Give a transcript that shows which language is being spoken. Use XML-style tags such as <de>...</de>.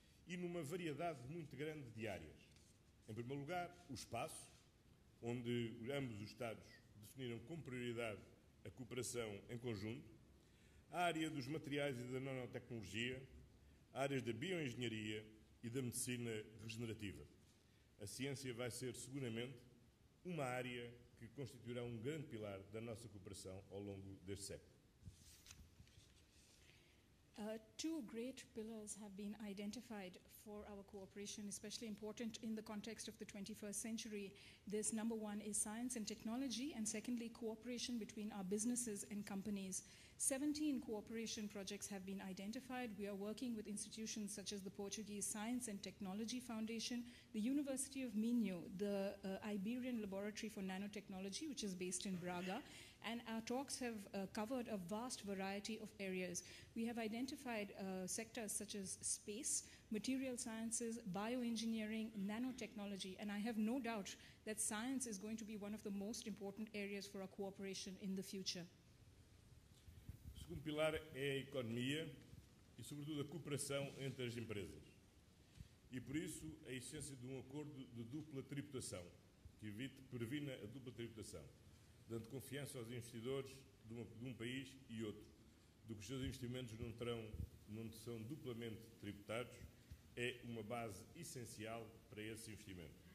<pt>e numa variedade muito grande de áreas. Em primeiro lugar, o espaço, onde ambos os Estados definiram com prioridade a cooperação em conjunto, a área dos materiais e da nanotecnologia, áreas da bioengenharia e da medicina regenerativa. A ciência vai ser, seguramente, uma área que constituirá um grande pilar da nossa cooperação ao longo deste século.</pt> <en>Two great pillars have been identified for our cooperation, especially important in the context of the 21st century. This number one is science and technology, and secondly, cooperation between our businesses and companies. 17 cooperation projects have been identified. We are working with institutions such as the Portuguese Science and Technology Foundation, the University of Minho, the Iberian Laboratory for Nanotechnology, which is based in Braga, and our talks have covered a vast variety of areas. We have identified sectors such as space, material sciences, bioengineering, nanotechnology, and I have no doubt that science is going to be one of the most important areas for our cooperation in the future.</en> <pt>O segundo pilar é a economia e, sobretudo, a cooperação entre as empresas. E, por isso, a essência de um acordo de dupla tributação, que evite, previna a dupla tributação, dando confiança aos investidores de um país e outro, do que os seus investimentos não são duplamente tributados, é uma base essencial para esse investimento.</pt>